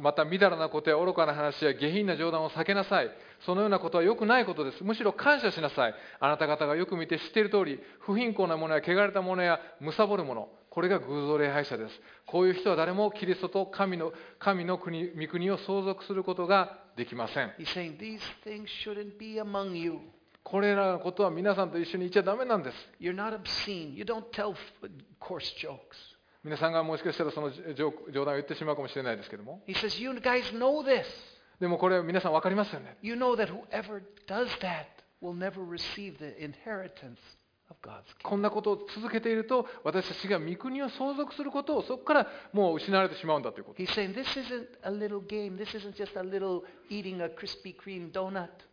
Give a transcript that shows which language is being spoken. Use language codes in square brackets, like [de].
[ja] また、みだらなことや愚かな話や下品な冗談を避けなさい。そのようなことは良くないことです。むしろ感謝しなさい。あなた方がよく見て知っている通り、不貧困なものや汚れたものや貪るもの、これが偶像礼拝者です。こういう人は誰もキリストと神の国、御国を相続することができません。 [en] He's saying these things shouldn't be among you. [ja] これらのことは皆さんと一緒にいちゃダメなんです。 [en] You're not obscene. You don't tell coarse jokes. [ja] 皆さんがもしかしたらその冗談を言ってしまうかもしれないですけども。 [en] He says, you guys know this. [ja] でもこれ皆さん分かりますよね。 [en] You know that whoever does that will never receive the inheritance of God's kingdom. [ja] こんなことを続けていると私たちが御国を相続することをそこからもう失われてしまうんだということ。 [en] He's saying, this isn't a little game. This isn't just a little eating a Krispy Kreme donut.